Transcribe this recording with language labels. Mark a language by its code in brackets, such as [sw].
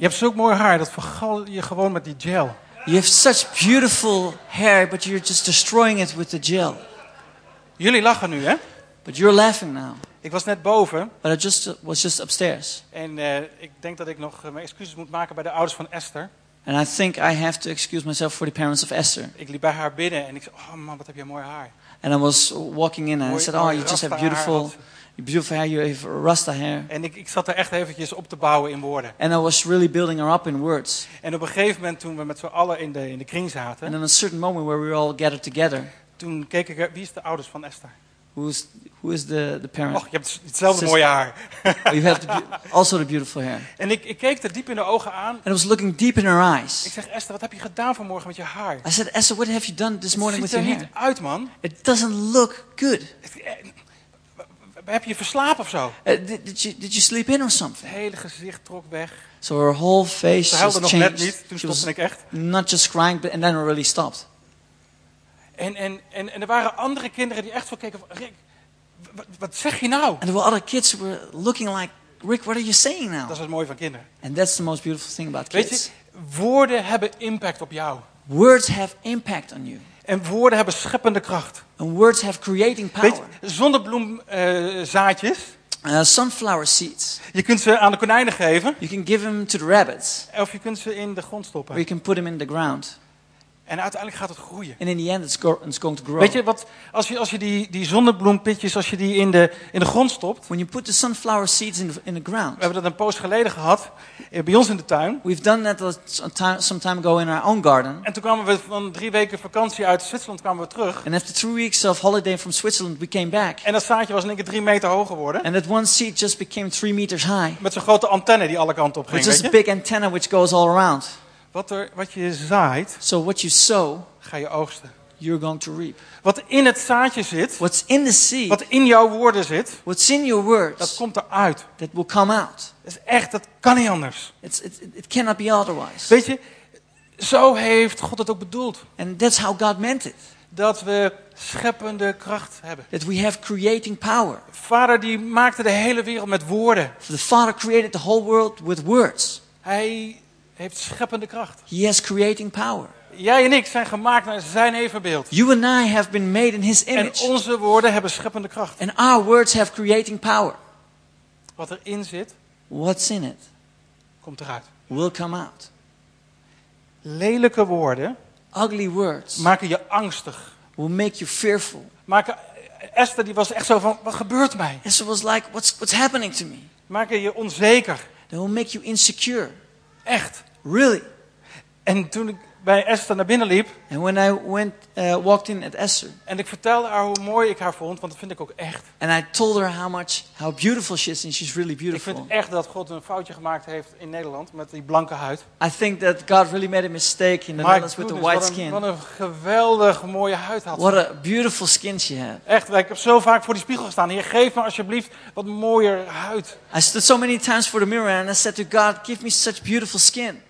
[nl] Je hebt zo'n mooi haar, dat vergal je gewoon met die gel. [en] You have such beautiful hair, but you're just destroying it with the gel. [nl] Jullie lachen nu, hè? [en] But you're laughing now. [nl] Ik was net boven. [en] But I just was just upstairs. [nl] En ik denk dat ik nog mijn excuses moet maken bij de ouders van Esther. [en] And I think I have to excuse myself for the parents of Esther. [nl] Ik liep bij haar binnen en ik zei, oh man, wat heb je mooi haar. [en] And I was walking in and I said, oh, you just have beautiful... Je beautiful hair, you have rasta hair. [nl] En ik zat er echt eventjes op te bouwen in woorden. [en] And I was really building her up in words. [nl] En op een gegeven moment toen we met z'n allen in de kring zaten. [en] And in a certain moment where we were all gathered together. [nl] Toen keek ik, wie is de ouders van Esther? [en] Who is the parent? [nl] Oh, je hebt hetzelfde sister. Mooie haar. [en] Oh, you have also the beautiful hair. [nl] En ik keek er diep in de ogen aan. [en] And I was looking deep in her eyes. [nl] Ik zeg, Esther, wat heb je gedaan vanmorgen met je haar? [en] I said, Esther, what have you done this [nl] het [en] morning with your hair? [nl] Het ziet er niet uit, man. [en] It doesn't look good. [nl] Heb je verslapen of zo? [en] Did you sleep in or something? [nl] Het hele gezicht trok weg. [en] So her whole face [nl] ze huilde nog [en] changed. [nl] Net niet, toen stopte ik echt. [en] Not just crying, but and then it really stopped. [nl] En er waren andere kinderen die echt voor keken van, Rick, wat zeg je nou? [en] And there were other kids who were looking like, Rick, what are you saying now? [nl] Dat is het mooie van kinderen. [en] And that's the most beautiful thing about kids. [nl] Weet je, woorden hebben impact op jou. [en] Words have impact on you. [nl] En woorden hebben scheppende kracht. [en] And words have creating power. [nl] Zonnebloemzaadjes. [en] Sunflower seeds. [nl] Je kunt ze aan de konijnen geven. [en] You can give them to the rabbits. [nl] Of je kunt ze in de grond stoppen. [en] Or you can put them in the ground. [nl] En uiteindelijk gaat het groeien. [en] And in the end it's going to grow. [nl] Weet je wat, als je die zonnebloempitjes, als je die in de grond stopt. [en] When you put the sunflower seeds in the ground. [nl] We hebben dat een poos geleden gehad bij ons in de tuin. [en] We've done that some time ago in our own garden. [nl] En toen kwamen we van 3 weken vakantie uit Zwitserland kwamen we terug. [en] And after 3 weeks of holiday from Switzerland we came back. [nl] En dat zaadje was in één keer 3 meter hoog geworden. [en] And that one seed just became 3 meters high. [nl] Met zo'n grote antenne die alle kanten op ging. [en] It's just a big antenna which goes all around. [nl] Wat je zaait, [en] so what you sow, [nl] ga je oogsten. [en] You're going to reap. [nl] Wat in het zaadje zit, [en] what's in the seed, [nl] wat in jouw woorden zit, [en] what's in your words, [nl] dat komt eruit. [en] That will come out. [nl] Dat is echt, dat kan niet anders. [en] It cannot be otherwise. [nl] Weet je, zo heeft God het ook bedoeld. [en] And that's how God meant it. [nl] Dat we scheppende kracht hebben. [en] That we have creating power. [nl] Vader die maakte de hele wereld met woorden. [en] The Father created the whole world with words. [nl] Hij heeft scheppende kracht. [en] He has creating power. [nl] Jij en ik zijn gemaakt naar zijn evenbeeld. [en] You and I have been made in his image. [nl] En onze woorden hebben scheppende kracht. [en] And our words have creating power. [nl] Wat erin zit, [en] what's in it, [nl] komt eruit. [en] Will come out. [nl] Lelijke woorden, [en] ugly words, [nl] maken je angstig. [en] Will make you fearful. [nl] Maken Esther die was echt zo van wat gebeurt mij? [en] Esther was like what's happening to me? [nl] Maken je onzeker. [en] They will make you insecure. [nl] Echt, [en] really. [nl] En toen ik bij Esther naar binnen liep, [en] and when I went walked in at Esther, [nl] en ik vertelde haar hoe mooi ik haar vond, want dat vind ik ook echt. [en] And I told her how beautiful she is, and she's really beautiful. [nl] Ik vind echt dat God een foutje gemaakt heeft in Nederland met die blanke huid. [en] I think that God really made a mistake in the Netherlands with the white skin. [nl] Wat een geweldig mooie huid had. [en] What a beautiful skin she had. [nl] Echt, ik heb zo vaak voor die spiegel gestaan. Heer, geef me alsjeblieft wat mooier huid. [en] I stood so many times for the mirror and I said to God, give me such beautiful skin.